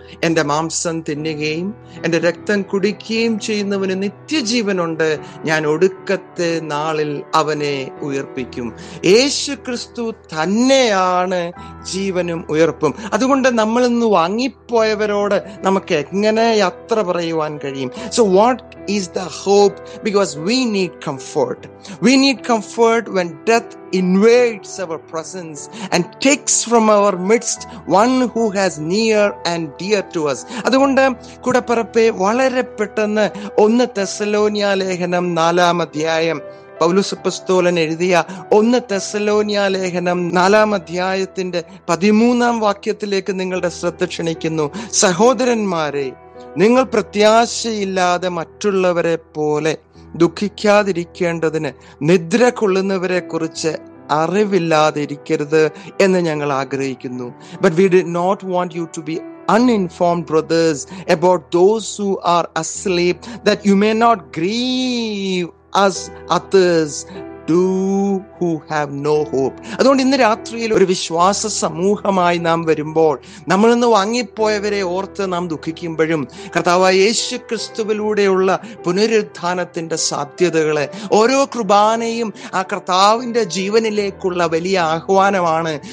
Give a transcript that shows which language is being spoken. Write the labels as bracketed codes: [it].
[ml] എൻ്റെ മാംസം തിന്നുകയും എൻ്റെ രക്തം കുടിക്കുകയും ചെയ്യുന്നവന് നിത്യജീവനുണ്ട്, ഞാൻ ഒടുക്കത്തെ നാളിൽ അവനെ ഉയർപ്പിക്കും. യേശു ക്രിസ്തു തന്നെയാണ് ജീവനും ഉയർപ്പും. അതുകൊണ്ട് നമ്മളിന്ന് വാങ്ങിപ്പോയവരോട് നമുക്ക് എങ്ങനെ യാത്ര പറയുവാൻ കഴിയും? [en] So what is the hope? Because we need comfort. We need comfort when death invades our presence and takes from our midst one who has near and dear to us. [ml] അതുകൊണ്ട് കൂടെ പറപ്പെ വളരെ പെട്ടെന്ന് 1 തെസ്സലോനിയ ലേഖനം 4-ാം അധ്യായം, പൗലോസ് അപ്പസ്തോലൻ എഴുതിയ 1 തെസ്സലോനിയ ലേഖനം 4-ാം അധ്യായത്തിന്റെ 13-ാം വാക്യത്തിലേക്ക് നിങ്ങളുടെ ശ്രദ്ധ ക്ഷണിക്കുന്നു. സഹോദരന്മാരെ, നിങ്ങൾ പ്രത്യാശയില്ലാതെ മറ്റുള്ളവരെ പോലെ ദുഃഖിക്കാതിരിക്കേണ്ടതിന് നിദ്ര കൊള്ളുന്നവരെ കുറിച്ച് അറിവില്ലാതിരിക്കരുത് എന്ന് ഞങ്ങൾ ആഗ്രഹിക്കുന്നു. [en] But we did not want you to be uninformed brothers about those who are asleep, that you may not grieve as others do who have no hope. [ml] അതുകൊണ്ട് ഇന്ന് രാത്രിയിൽ ഒരു വിശ്വാസ സമൂഹമായി നാം വരുമ്പോൾ, നമ്മൾ നിന്ന് വാങ്ങിപ്പോയവരെ ഓർത്ത് നാം ദുഃഖിക്കുമ്പോഴും, കർത്താവായ യേശു ക്രിസ്തുവിലൂടെയുള്ള പുനരുത്ഥാനത്തിന്റെ സാധ്യതകളെ, ഓരോ കുർബാനയും ആ കർത്താവിന്റെ ജീവനിലേക്കുള്ള വലിയ ആഹ്വാനമാണ്.